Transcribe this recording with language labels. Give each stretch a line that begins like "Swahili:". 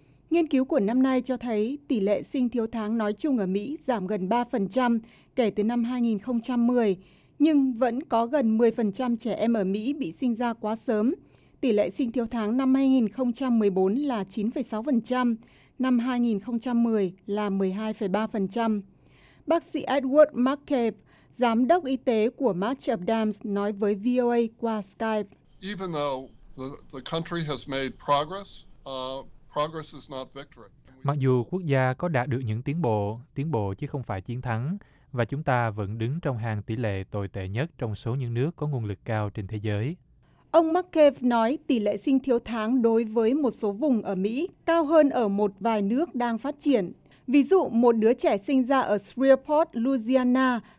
Vietnamese: Nghiên cứu của năm nay cho thấy tỷ lệ sinh thiếu tháng nói chung ở Mỹ giảm gần 3% kể từ năm 2010, nhưng vẫn có gần 10% trẻ em ở Mỹ bị sinh ra quá sớm. Tỷ lệ sinh thiếu tháng năm 2014 là 9,6%, năm 2010 là 12,3%. Bác sĩ Edward McCabe, Giám đốc Y tế của March of Dimes, nói với VOA qua Skype.
English: Even though the country has made progress, progress is not victory.
Vietnamese: Mặc dù quốc gia có đạt được những tiến bộ chứ không phải chiến thắng, và chúng ta vẫn đứng trong hàng tỷ lệ tồi tệ nhất trong số những nước có nguồn lực cao trên thế giới. Ông McCabe nói tỷ lệ sinh thiếu tháng đối với một số vùng ở Mỹ cao hơn ở một vài nước đang phát triển. Ví dụ, một đứa trẻ sinh ra ở Shreveport, Louisiana,